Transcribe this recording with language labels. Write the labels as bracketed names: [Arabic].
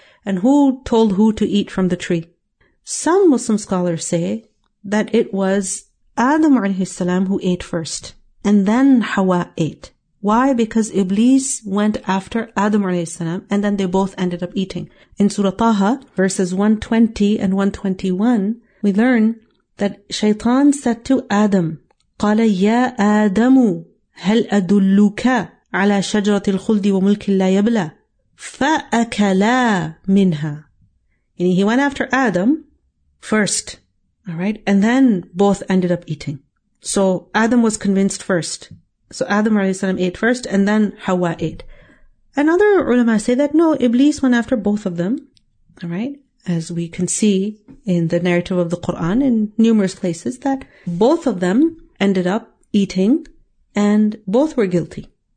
[English] And who told who to eat from the tree? Some Muslim scholars say that it was Adam alayhi salam who ate first, and then Hawa ate. Why? Because Iblis went after Adam alayhi salam, and then they both ended up eating. In Surah Taha, verses 120 and 121, we learn that Shaitan said to Adam, [Arabic] قَالَ يَا آدَمُ هَلْ أَدُلُّكَ عَلَى شَجَرَةِ الْخُلْدِ وَمُلْكٍ لَا يَبْلَى فَأَكَلَا مِنْهَا. [English] Meaning he went after Adam first, all right, and then both ended up eating. So Adam was convinced first. So Adam alayhi salam ate first, and then Hawa ate. Another ulama say that no, Iblis went after both of them, all right, as we can see in the narrative of the Quran in numerous places, that both of them ended up eating and both were guilty.